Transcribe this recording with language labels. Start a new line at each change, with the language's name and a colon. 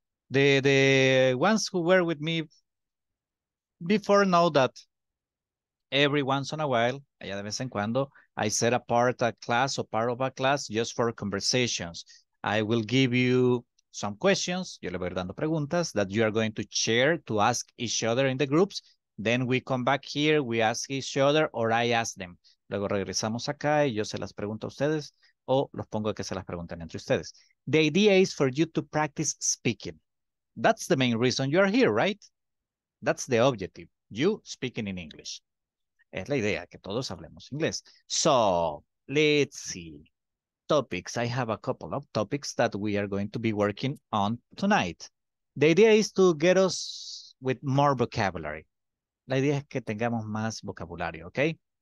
English: The ones who were with me before know that every once in a while,
Spanish: allá de vez en cuando,
English: I set apart a class or part of a class just for conversations. I will give you some questions.
Spanish: Yo le voy dando preguntas
English: that you are going to share to ask each other in the groups. Then we come back here, we ask each other, or I ask them.
Spanish: Luego regresamos acá y yo se las pregunto a ustedes o los pongo a que se las pregunten entre ustedes.
English: The idea is for you to practice speaking. That's the main reason you are here, right? That's the objective. You speaking in English.
Spanish: Es la idea, que todos hablemos inglés.
English: So, let's see. Topics. I have a couple of topics that we are going to be working on tonight. The idea is to get us with more vocabulary.
Spanish: La idea es que tengamos más vocabulario, okay?